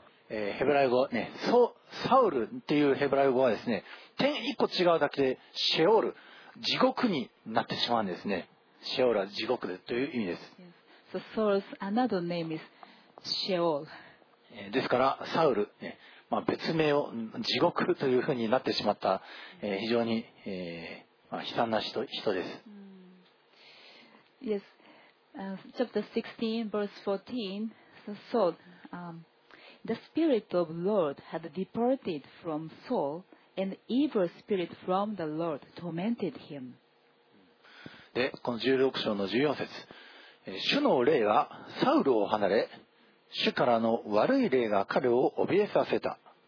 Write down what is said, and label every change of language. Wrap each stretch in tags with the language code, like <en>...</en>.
<ja>ヘブライ語ね、サウルっていうヘブライ語はですね、天一個違うだけでシェオル、地獄になってしまうんですね。シェオルは地獄でという意味です。</ja> <en>So Saul's another name is Sheol.</en> <ja>ですからサウル、まあ、別名を地獄というふうになってしまった、非常に、まあ、悲惨な人です。</ja> <en>Yes, chapter 16, verse 14. So Saul, the spirit of Lord had departed from Saul, and evil spirit from the Lord tormented him.</en> <ja>でこの16章の14節、主の霊はサウルを離れ、主からの悪い霊が彼を怯えさせた。</ja>